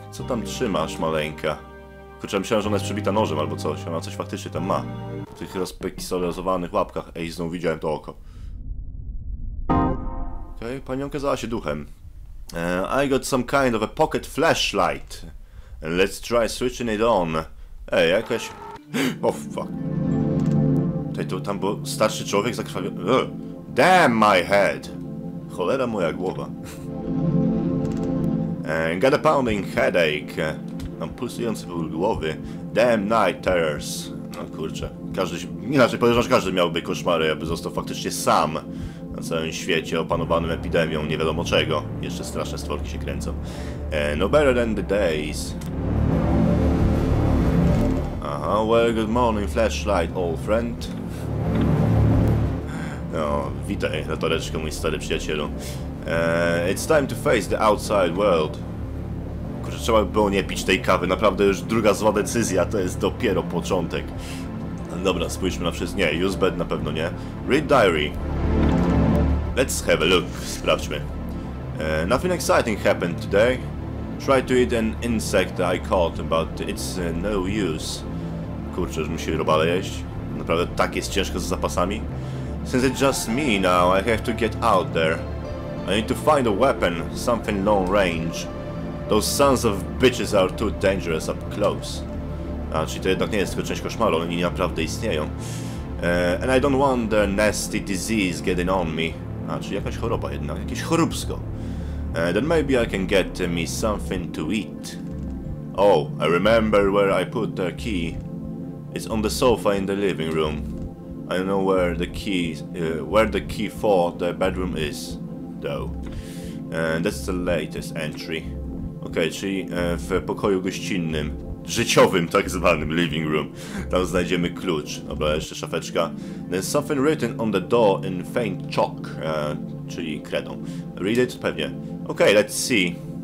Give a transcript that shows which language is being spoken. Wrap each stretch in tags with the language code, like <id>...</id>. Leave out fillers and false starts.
<pl>Co tam trzymasz, maleńka? Kurczę, myślałem, że ona jest przebita nożem albo coś. Ona coś faktycznie tam ma. W tych rozpikselizowanych łapkach. Ej, znowu widziałem to oko. Okej, okay, panią kazała się duchem.</pl> <en>I got some kind of a pocket flashlight. And let's try switching it on.</en> <pl>Ej, jakaś...</pl> <en>Oh, fuck.</en> <pl>Tutaj to tam był starszy człowiek zakrwawiony.</pl> <en>Damn my head!</en> <pl>Cholera moja głowa.</pl> <en>Got a pounding headache.</en> <pl>Mam pulsujący ból głowy.</pl> <en>Damn night terrors.</en> <pl>No kurczę. Każdy, inaczej powiedziałem, że każdy miałby koszmary, jakby został faktycznie sam. Na całym świecie opanowanym epidemią, nie wiadomo czego. Jeszcze straszne stworki się kręcą.</pl> <en>No better than the days. Aha, well good morning flashlight, old friend.</en> <pl>No, witaj na toreczkę, mój stary przyjacielu.</pl> <en>It's time to face the outside world.</en> <pl>Kurczę, trzeba by było nie pić tej kawy. Naprawdę już druga zła decyzja, to jest dopiero początek. Dobra, spójrzmy na wszystko. Nie, use bed na pewno nie.</pl> <en>Read diary. Let's have a look.</en> <pl>Sprawdźmy.</pl> <en>Nothing exciting happened today. Try to eat an insect I caught, but it's no use.</en> <pl>Kurczę, już musi robale jeść. Naprawdę tak jest ciężko z zapasami.</pl> <en>Since it's just me now, I have to get out there. I need to find a weapon, something long range. Those sons of bitches are too dangerous up close.</en> <pl>A, czyli to jednak nie jest tylko część koszmaru, oni naprawdę istnieją.</pl> <en>And I don't want their nasty disease getting on me.</en> <pl>A, czyli jakaś choroba jednak, jakieś choróbsko.</pl> <en>Then maybe I can get me something to eat. Oh, I remember where I put their key. It's on the sofa in the living room. I don't know where the key for the bedroom is, though. That's the latest entry.</en> <pl>Okej, okay, czyli w pokoju gościnnym, życiowym tak zwanym, living room, tam znajdziemy klucz. Dobra, jeszcze szafeczka.</pl> <en>There's something written on the door in faint chalk,</en> <pl>czyli kredą.</pl> <en>Read it?</en> <pl>Pewnie.</pl> <en>Okej, okay, let's see.</en>